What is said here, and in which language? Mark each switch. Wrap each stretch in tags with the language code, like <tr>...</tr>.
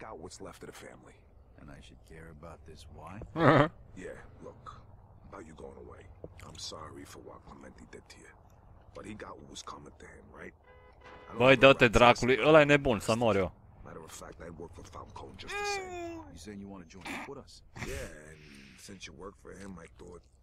<en>And I should care about this, why? Yeah, look. About you going away. I'm sorry for what Clementi did to you. But he got what was coming to him, right?</en> <ro>Băi, dă-te dracului, ăla e nebun, să mor eu.</ro> <en>Matter of fact, I work for Falcone just the same. You saying you want to join up with us? Yeah, and since you work for him, I thought...</en>